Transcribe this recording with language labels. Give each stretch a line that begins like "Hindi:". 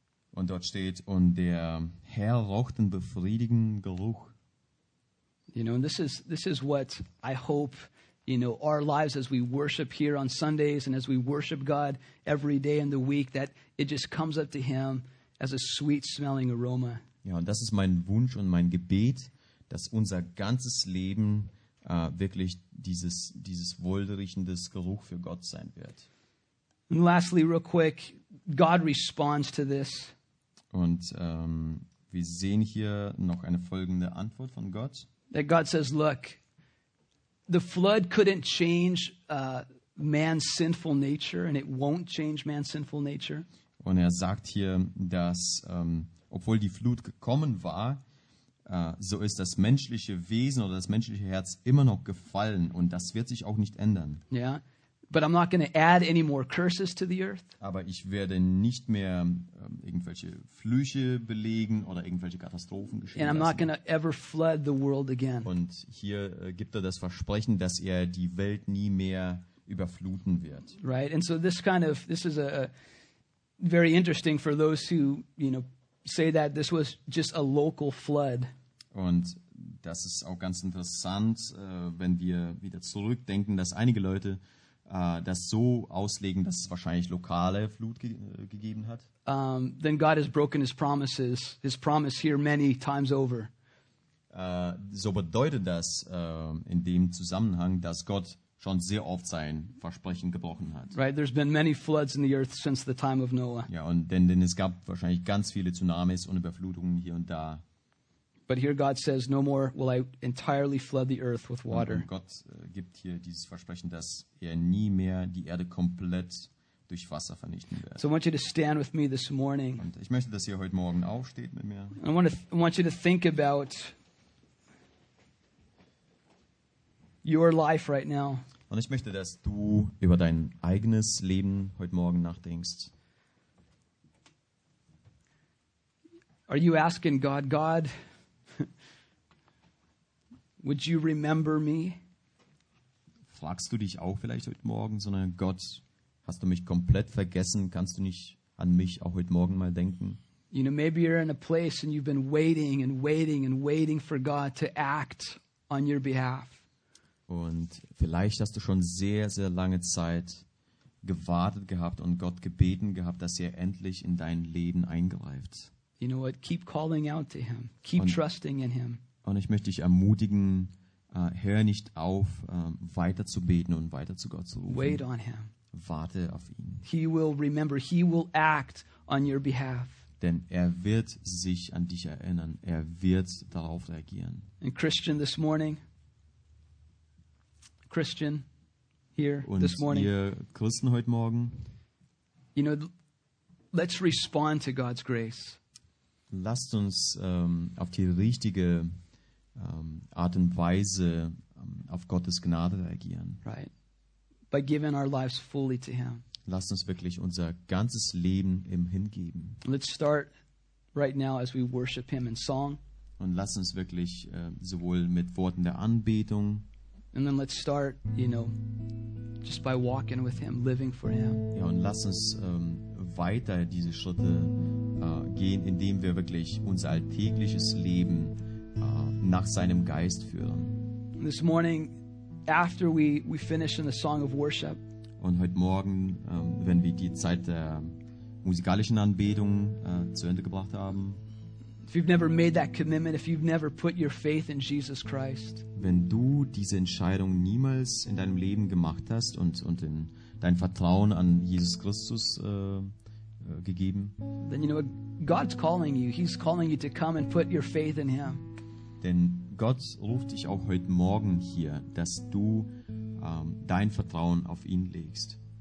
German: Und dort steht, und der Herr roch den befriedigenden Geruch.
English: You know, and this is what I hope, you know, our lives as we worship here on Sundays and as we worship God every day in the week, that it just comes up to him as a sweet smelling aroma.
German: Ja, und das ist mein Wunsch und mein Gebet, dass unser ganzes Leben wirklich dieses wohlriechendes Geruch für Gott sein wird.
English: And lastly, real quick, God responds to this.
German: Und wir sehen hier noch eine folgende Antwort von Gott.
English: That God says, look, the flood couldn't change man's sinful nature, and it won't change man's sinful nature.
German: Und er sagt hier, dass obwohl die Flut gekommen war, so ist das menschliche Wesen oder das menschliche Herz immer noch gefallen, und das wird sich auch nicht ändern.
English: Yeah. But I'm not going to add any more curses to the earth.
German: Aber ich werde nicht mehr irgendwelche Flüche belegen oder irgendwelche Katastrophen geschehen.
English: And I'm not going to ever flood the world again.
German: Und hier gibt er das Versprechen, dass er die Welt nie mehr überfluten wird.
English: Right. And so this is very interesting for those who, you know, say that this was just a local flood.
German: Und das ist auch ganz interessant, wenn wir wieder zurückdenken, dass einige Leute das so auslegen, dass es wahrscheinlich lokale Flut gegeben hat.
English: Then God has broken his promises, his promise here many times over.
German: So bedeutet das in dem Zusammenhang, dass Gott schon sehr oft sein Versprechen gebrochen hat.
English: Right, there's been many floods in the earth since the time of Noah.
German: Ja, und denn es gab wahrscheinlich ganz viele Tsunamis und Überflutungen hier und da.
English: But here God says, no more will I entirely flood the earth with water.
German: Und Gott gibt hier dieses Versprechen, dass er nie mehr die Erde komplett durch Wasser vernichten wird.
English: So I want you to stand with me this morning.
German: Und ich möchte, dass ihr heute Morgen aufsteht mit mir.
English: I want you to think about your life right now.
German: Und ich möchte, dass du über dein eigenes Leben heute Morgen nachdenkst.
English: Are you asking God, God, would you remember me?
German: Fragst du dich auch vielleicht heute Morgen, sondern Gott, hast du mich komplett vergessen? Kannst du nicht an mich auch heute Morgen mal denken?
English: You know, maybe you're in a place and you've been waiting and waiting and waiting for God to act on your behalf.
German: Und vielleicht hast du schon sehr, sehr lange Zeit gewartet gehabt und Gott gebeten gehabt, dass er endlich in dein Leben eingreift.
English: You know what? Keep calling out to him. Keep trusting in him.
German: Und ich möchte dich ermutigen, hör nicht auf, weiter zu beten und weiter zu Gott zu rufen.
English: Wait on him.
German: Warte auf ihn.
English: He will remember. He will act on your behalf.
German: Denn er wird sich an dich erinnern. Er wird darauf reagieren.
English: And Christian, this morning. Christian, here
German: und
English: this morning.
German: Und ihr Christen heute Morgen.
English: You know, let's respond to God's grace.
German: Lasst uns auf die richtige Art und Weise auf Gottes Gnade reagieren.
English: Right. By giving our lives fully to him.
German: Lasst uns wirklich unser ganzes Leben ihm hingeben.
English: Let's start right now as we worship him in song.
German: Und lasst uns wirklich sowohl mit Worten der Anbetung.
English: And then let's start, you know, just by walking with him, living for him.
German: Ja, und lasst uns weiter diese Schritte gehen, indem wir wirklich unser alltägliches Leben nach seinem Geist führen.
English: This morning, after we finish in the song of worship,
German: und heute Morgen, wenn wir die Zeit der musikalischen Anbetung zu Ende gebracht haben,
English: If you've never made that commitment, if you've never put your faith in Jesus Christ,
German: wenn du diese Entscheidung niemals in deinem Leben gemacht hast und in dein Vertrauen an Jesus Christus gegeben,
English: then you know what? God's calling you. He's calling you to come and put your faith in Him.
German: Denn Gott ruft dich auch heute Morgen hier, dass du dein Vertrauen auf ihn legst.